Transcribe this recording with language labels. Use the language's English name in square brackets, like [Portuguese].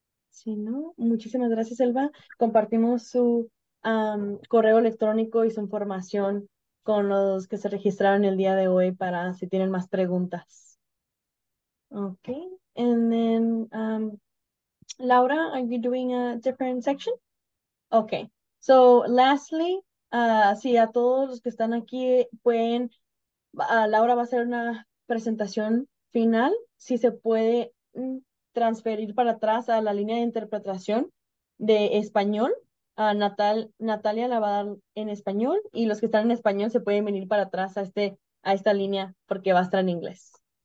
[Spanish] Si no, muchísimas gracias, Elba. Compartimos su correo electrónico y su información con los que se registraron el día de hoy para si tienen más preguntas. [English] Ok. And then, Laura, are you doing a different section? Ok. So, lastly, [Spanish] sí, a todos los que están aquí, pueden, Laura va a hacer una presentación final. Si se puede transferir para atrás a la línea de interpretación de español, Natalia la va a dar en español, y los que están en español se pueden venir para atrás a esta línea porque va a estar en inglés.